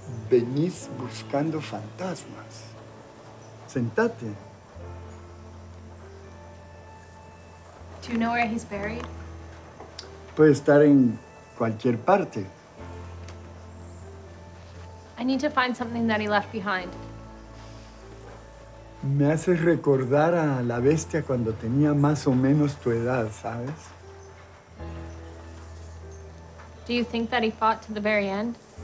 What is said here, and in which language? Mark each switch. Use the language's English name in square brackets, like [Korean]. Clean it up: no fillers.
[Spanish] Venís buscando fantasmas. Sentate. [English] Do you know where he's buried? [Spanish] Puede estar en cualquier parte. [English] I need to find something that he left behind. [Spanish] Me hace recordar a la bestia cuando tenía más o menos tu edad, ¿sabes? [English] Do you think that he fought to the very end?